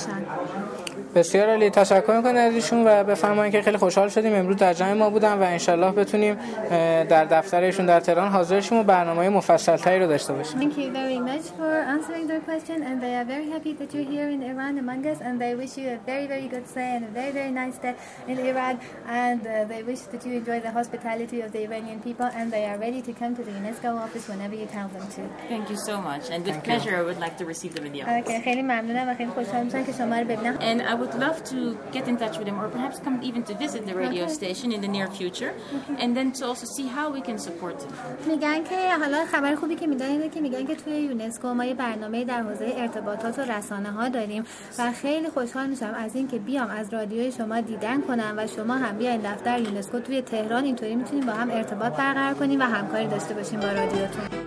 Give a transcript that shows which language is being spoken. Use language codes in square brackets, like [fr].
[fa] در جامعه و در اجتماعشون داشته باشن. بسیار عالی، تشکر میکنم از ایشون و بفرمایید که خیلی خوشحال شدیم امروز در جمع ما بودن و انشالله بتونیم در دفتر ایشون در تهران حاضرشیم و برنامه مفصل تری رو داشته باشیم. [en] Thank you very much for answering their question and they are very happy that you're here in Iran among us and they wish you a very very good stay and a very very nice day in Iran and they wish that you enjoy the hospitality of the Iranian people and they are ready to come to the UNESCO office whenever you tell them to. Thank you so much and with pleasure. I would like to receive them in the office. [fa] Okay, خیلی ممنونم و خیلی خوشحال میشم که شما رو ببینم. [en] And I would love to get in touch with them or perhaps come even to visit the radio station in the near future and then to also see how we can support them. [fa] میگن که حالا خبر خوبی که میدونن که میگن که توی یونسکو ما یه برنامه در حوزه ارتباطات و رسانه‌ها داریم و خیلی خوشحال میشم از اینکه بیام از رادیوی شما دیدن کنم و شما هم بیاین دفتر یونسکو توی تهران، اینطوری میتونیم با هم ارتباط برقرار کنیم و همکاری داشته باشیم با رادیوتون.